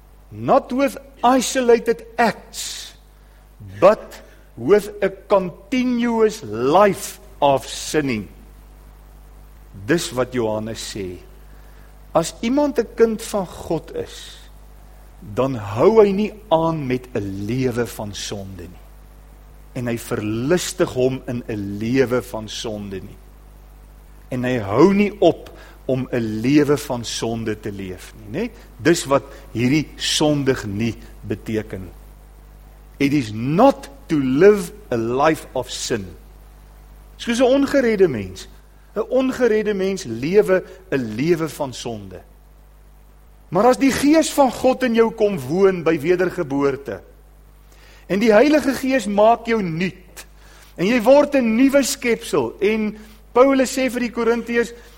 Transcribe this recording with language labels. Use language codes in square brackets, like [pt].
[en] Not with isolated acts, but with a continuous life of sinning. [af] Dis wat Johannes sê. As iemand 'n kind van God is, dan hou hy nie aan met 'n lewe van sonde nie. En hy verlustig hom in 'n lewe van sonde nie. En hy hou nie op om 'n lewe van sonde te leef nie, né? Dis wat hierdie sondig nie beteken. [en] It is not to live a life of sin. [af] Soos 'n ongeredde mens. 'n Ongeredde mens lewe 'n lewe van sonde. Maar as die Gees van God in jou kom woon by wedergeboorte, en die Heilige Gees maak jou nuut, en jy word 'n nuwe skepsel, en Paulus sê vir die Korintiërs,